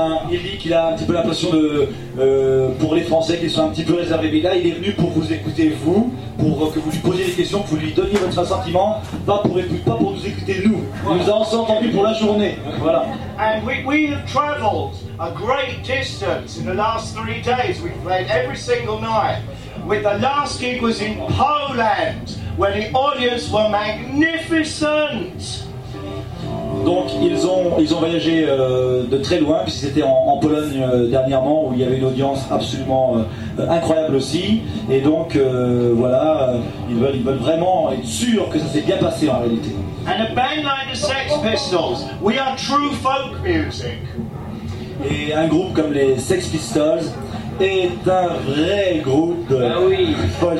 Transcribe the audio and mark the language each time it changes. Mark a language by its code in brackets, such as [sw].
[fr] Il dit qu'il a un petit peu l'impression de pour les Français qu'ils sont un petit peu réservés, mais là il est venu pour vous écouter vous, pour que vous lui posiez des questions, que vous lui donniez votre sentiment, pas pour nous écouter nous. Voilà. Nous avons entendu pour la journée. Voilà. [en] And we have travelled a great distance in the last 3 days. We played every single night. With the last gig was in Poland, where the audience were magnificent. [fr] Donc ils ont voyagé de très loin, puisque c'était en Pologne dernièrement, où il y avait une audience absolument incroyable aussi. Et donc ils veulent vraiment être sûrs que ça s'est bien passé en réalité. [en] And a band like the Sex Pistols, we are true folk music. [fr] Et un groupe comme les Sex Pistols est un vrai groupe de folk.